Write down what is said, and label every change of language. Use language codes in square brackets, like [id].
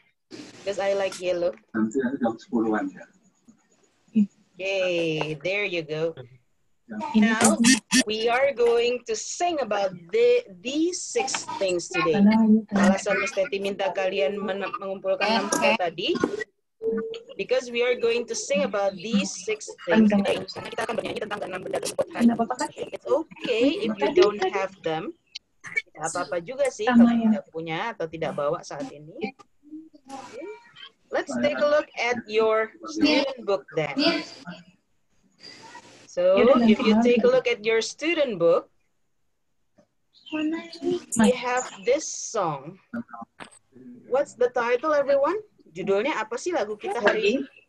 [en] Because I like yellow. Okay, there you go. Now, we are going to sing about these 6 things today. [id] Alasan Miss Teti minta kalian mengumpulkan 6 hal tadi. [en] Because we are going to sing about these 6 things. [id] Kita akan bernyanyi tentang 6 benda tersebut. [en] It's okay if you don't have them. [id] Tidak apa-apa juga sih kalau tidak punya atau tidak bawa saat ini. [en] let's take a look at your student book then. So if you take a look at your student book, we have this song. What's the title, everyone? [id] Judulnya apa sih lagu kita hari ini?